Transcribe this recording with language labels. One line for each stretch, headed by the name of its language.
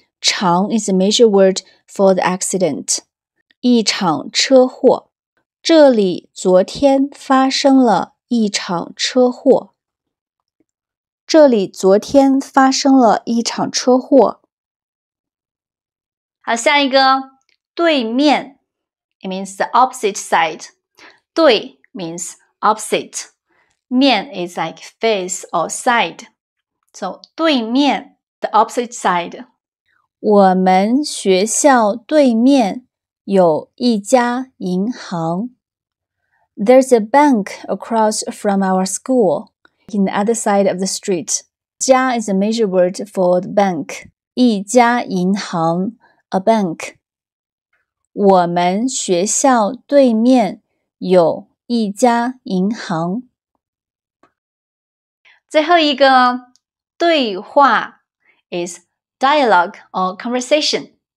English: 场 is a major word for the accident.
Chinese: 一场车祸。这里昨天发生了一场车祸。这里昨天发生了一场车祸。好，下一个，对面。
English: It means the opposite side. 对 means opposite. 面 is like face or side. So, 对面, the opposite side.
Chinese: 我们学校对面有一家银行。
English: There's a bank across from our school, in the other side of the street. 家 is a major word for the bank.
Chinese: 一家银行,
English: a bank.
Chinese: 我们学校对面有一家银行。
English: 最后一个对话 is dialogue or conversation.